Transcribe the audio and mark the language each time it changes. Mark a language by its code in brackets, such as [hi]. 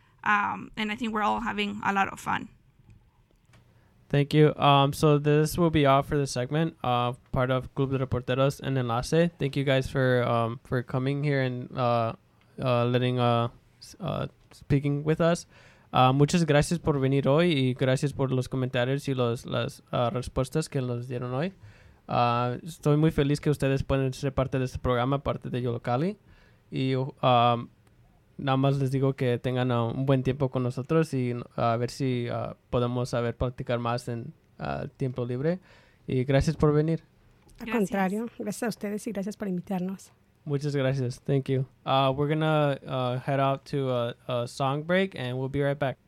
[en] And I think we're all having a lot of fun. Thank you. So this will be all for the segment, part of Club de Reporteros and Enlace. Thank you guys for coming here and speaking with us. [es] Muchas gracias por venir hoy y gracias por los comentarios y las respuestas que nos dieron hoy. Estoy muy feliz que ustedes puedan ser parte de este programa, parte de Yolocali. y nada más les digo que tengan un buen tiempo con nosotros y a ver si podemos saber practicar más en tiempo libre. Y gracias por venir. Al contrario, gracias a ustedes y gracias por invitarnos. Muchas gracias. [en] Thank you. We're going to head out to a song break and we'll be right back.